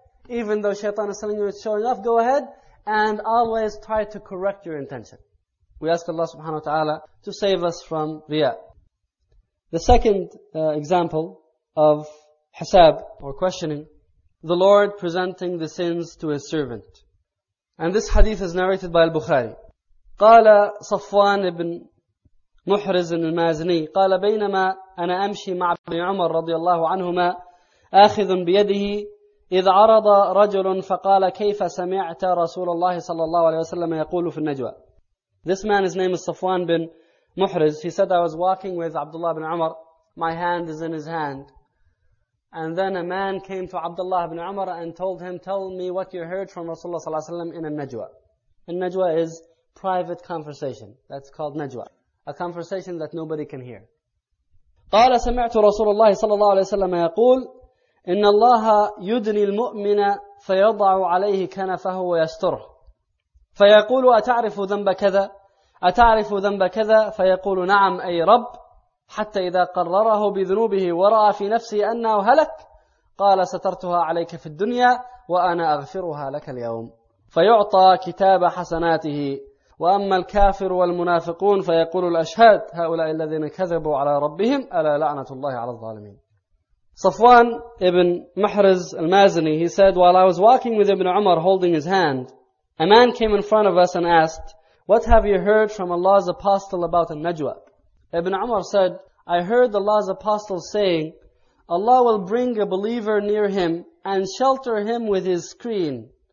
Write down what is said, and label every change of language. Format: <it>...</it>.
<en>Even though Shaitan is telling you it's showing off, go ahead. And always try to correct your intention. We ask Allah subhanahu wa ta'ala to save us from Riya. The second example of hisab or questioning, the Lord presenting the sins to His servant. And this hadith is narrated by Al-Bukhari.</en> <ar>قال صفوان بن محرز المازني قال بينما أنا أمشي مع ابن عمر رضي الله عنهما آخذ بيده إذ عرض رجل فقال كيف سمعت رسول الله صلى الله عليه وسلم يقول في النجوى.</ar> <en>This man, his name is Safwan bin Muhriz. He said, I was walking with Abdullah bin Umar. My hand is in his hand. And then a man came to Abdullah bin Umar and told him, tell me what you heard from Rasulullah sallallahu alayhi wa sallam in a najwa. A najwa is private conversation. That's called najwa. A conversation that nobody can hear.</en> <ar>قال سمعت رسول الله صلى الله عليه وسلم يقول إن الله يدني المؤمن فيضع عليه كنفه ويستره فيقول أتعرف ذنب كذا؟ أتعرف ذنب كذا؟ فيقول نعم أي رب. حتى إذا قرره بذنوبه ورأى في نفسه أنه هلك قال سترتها عليك في الدنيا وأنا أغفرها لك اليوم. فيعطى كتاب حسناته. وأما الكافر والمنافقون فيقول الأشهاد هؤلاء الذين كذبوا على ربهم ألا لعنة الله على الظالمين.</ar> <en>صفوان ابن محرز المازني, he said, while I was walking with Ibn Umar holding his hand, a man came in front of us and asked, what have you heard from Allah's apostle about a najwa? Ibn Umar said, I heard Allah's apostle saying, Allah will bring a believer near him and shelter him with his screen.</en>